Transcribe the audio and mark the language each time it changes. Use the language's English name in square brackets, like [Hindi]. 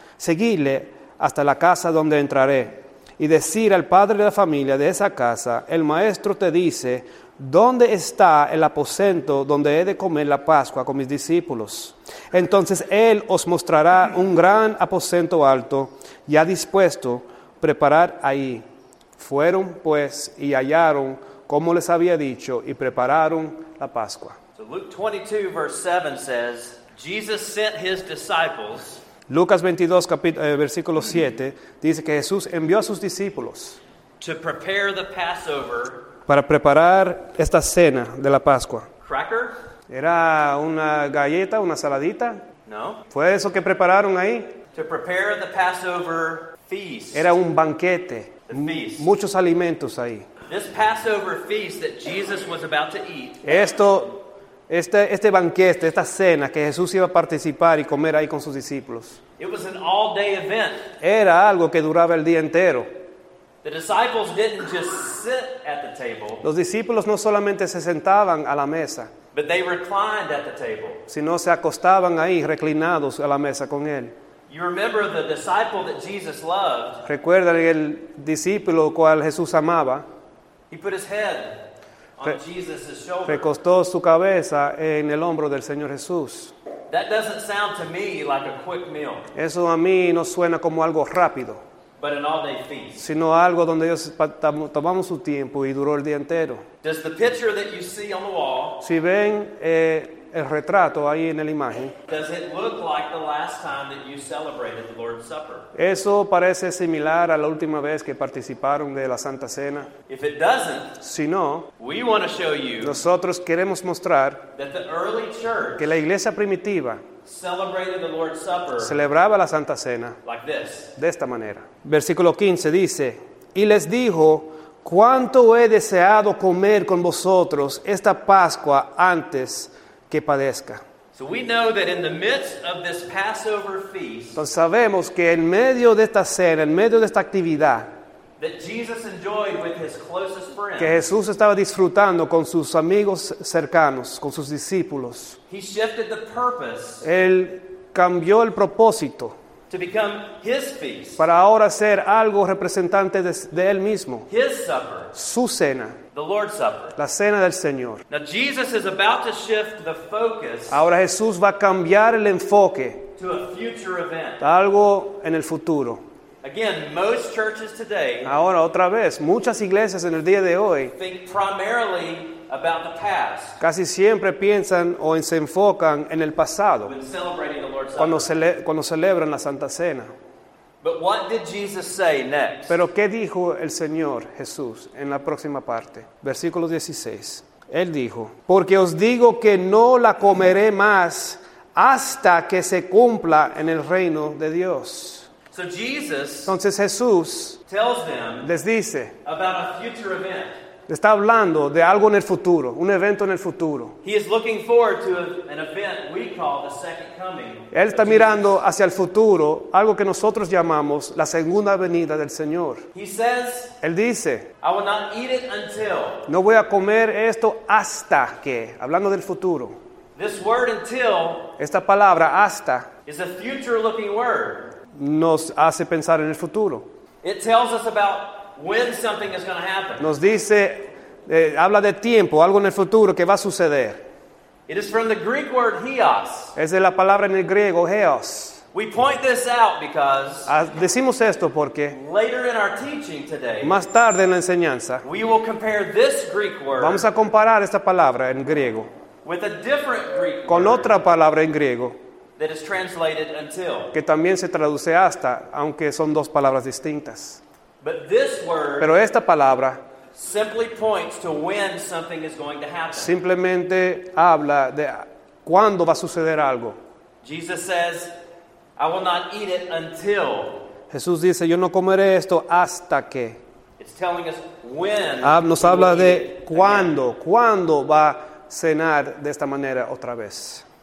[Spanish] Seguidle hasta la casa donde entraré y decir al padre de la familia de esa casa: el maestro te dice, ¿dónde está el aposento donde he de comer la Pascua con mis discípulos? Entonces él os mostrará un gran aposento alto ya dispuesto, preparar ahí. Fueron pues y hallaron como les había dicho y prepararon la Pascua. [English] So Luke 22 verse 7 says, Jesus sent his disciples. [Spanish] Lucas 22, versículo 7, dice que Jesús envió a sus discípulos [English] to prepare the Passover, [Spanish] para preparar esta cena de la Pascua. [English] Cracker? [Spanish] ¿Era una galleta, una saladita? No. ¿Fue eso que prepararon ahí? [English] To prepare the Passover feast. [Spanish] Era un banquete, muchos alimentos ahí. [English] This Passover feast that Jesus was about to eat. [Spanish] Este banquete, esta cena que Jesús iba a participar y comer ahí con sus discípulos. [English] It was an all-day event. [Spanish] Era algo que duraba el día entero. [English] The disciples didn't just sit at the table. [Spanish] Los discípulos no solamente se sentaban a la mesa. [English] But they reclined at the table. [Spanish] Sino se acostaban ahí reclinados a la mesa con él. [English] You remember the disciple that Jesus loved. [Spanish] Recuerda el discípulo cual Jesús amaba. [English] He put his head on Jesus' shoulder. [Spanish] Recostó su cabeza en el hombro del Señor Jesús. [English] That doesn't sound to me like a quick meal. [Spanish] Eso a mí no suena como algo rápido. [English] But an all-day feast. [Spanish] Sino algo donde ellos tomamos su tiempo y duró el día entero. [English] Does the picture that you see on the wall? [Spanish] Si ven el retrato ahí en la imagen. [English] Does it look like the last time that you celebrated the Lord's Supper? [Spanish] Eso parece similar a la última vez que participaron de la Santa Cena. [English] If it doesn't, [Spanish] si no, [English] we want to show you. [Spanish] Nosotros queremos mostrar [English] that the early church, [Spanish] que la iglesia primitiva, [English] celebrated the Lord's Supper, [Spanish] celebraba la Santa Cena, [English] like this, [Spanish] de esta manera. Versículo 15 dice, y les dijo, cuánto he deseado comer con vosotros esta Pascua antes que padezca. [English] So we know that in the midst of this Passover feast, [Spanish] entonces sabemos que en medio de esta cena, en medio de esta actividad, [English] that Jesus enjoyed with his closest friends, [Spanish] que Jesús estaba disfrutando con sus amigos cercanos, con sus discípulos, [English] he shifted the purpose, [Spanish] él cambió el propósito, [English] to become his feast, [Spanish] para ahora ser algo representante de él mismo, [English] his supper, [Spanish] su cena, [English] the Lord's Supper, [Spanish] la cena del Señor. [English] Now Jesus is about to shift the focus, [Spanish] ahora Jesús va a cambiar el enfoque, [English] to a future event, [Spanish] algo en el futuro. [English] Again, most churches today, [Spanish] ahora otra vez, muchas iglesias en el día de hoy, [English] think primarily about the past, [Spanish] casi siempre piensan o se enfocan en el pasado, cuando celebran la Santa Cena. [English] But what did Jesus say next? [Spanish] Pero ¿qué dijo el Señor Jesús en la próxima parte? Versículo 16. Él dijo, porque os digo que no la comeré más hasta que se cumpla en el reino de Dios. [English] So Jesus, [Spanish] entonces Jesús [English] tells them, [Spanish] les dice, [English] about a future event. [Spanish] Está hablando de algo en el futuro, un evento en el futuro. [English] He is looking forward to an event we call the second coming. [Spanish] Él está mirando hacia el futuro, algo que nosotros llamamos la segunda venida del Señor. [English] He says, [Spanish] él dice, [English] I will not eat it until. [Spanish] No voy a comer esto hasta que, hablando del futuro. [English] This word until, [Spanish] esta palabra hasta, [English] is a future looking word. [Spanish] Nos hace pensar en el futuro. [English] It tells us about when something is going to happen. [Spanish] Nos dice, habla de tiempo, algo en el futuro que va a suceder. [English] It is from the Greek word heos. [Spanish] Es de la palabra en el griego heos. [English] We point this out because [Spanish] decimos esto porque [English] later in our teaching today, [Spanish] más tarde en la enseñanza, [English] we will compare this Greek word, [Spanish] vamos a comparar esta palabra en griego [English] with a different Greek word, [Spanish] con otra palabra en griego [English] that is translated until, [Spanish] que también se traduce hasta, aunque son dos palabras distintas. [English] But this word, [Spanish] pero esta palabra, [English] simply points to when something is going to happen. [Spanish] Simplemente habla de cuándo va a suceder algo. [English] Jesus says, I will not eat it until. [Spanish] Jesús dice, yo no comeré esto hasta que. [English] It's telling us when. [Spanish] Nos habla de cuándo, cuándo va a cenar de esta manera otra vez.